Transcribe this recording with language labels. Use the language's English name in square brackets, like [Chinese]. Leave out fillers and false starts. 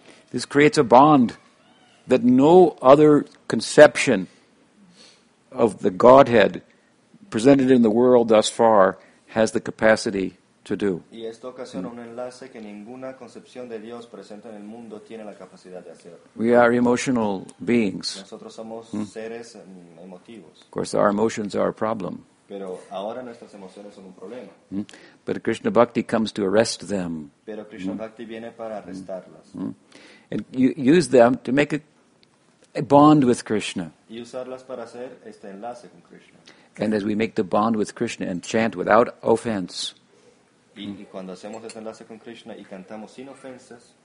[English] This creates a bond that no other conception of the Godhead presented in the world thus far has the capacity to do. [Spanish] Y esto ocasiona un enlace que ninguna concepción de Dios presente en el mundo tiene la capacidad de hacer. [English] We are emotional beings. [Spanish] Nosotros somos seres emotivos. [English] Of course, our emotions are a problem. [Spanish] Pero ahora nuestras emociones son un problema. [English] But Krishna Bhakti comes to arrest them. [Spanish] Pero Krishna Bhakti viene para arrestarlas. [English] And you use them to make a bond with Krishna. [Spanish] Y usarlas para hacer este enlace con Krishna. [English] And as we make the bond with Krishna and chant without offense, [Spanish] y cuando hacemos este enlace con Krishna y cantamos sin ofensas,